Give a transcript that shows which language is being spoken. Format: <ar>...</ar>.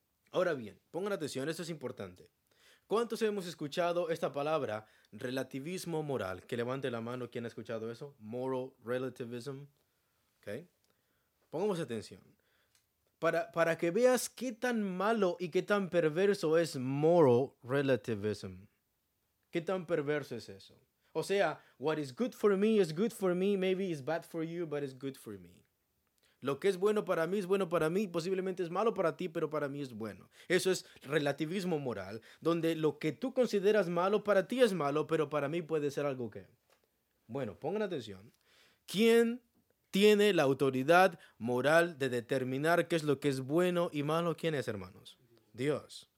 <es>Ahora bien, pongan atención, esto es importante. ¿Cuántos hemos escuchado esta palabra, relativismo moral? Que levante la mano quien ha escuchado eso. Moral relativism. Okay. Pongamos atención. Para que veas qué tan malo y qué tan perverso es moral relativism. ¿Qué tan perverso es eso? O sea,</es> <en>what is good for me, maybe it's bad for you, but it's good for me.</en> <es>Lo que es bueno para mí, posiblemente es malo para ti, pero para mí es bueno. Eso es relativismo moral, donde lo que tú consideras malo para ti es malo, pero para mí puede ser algo que... Bueno, pongan atención. ¿Quién tiene la autoridad moral de determinar qué es lo que es bueno y malo? ¿Quién es, hermanos? Dios.</es>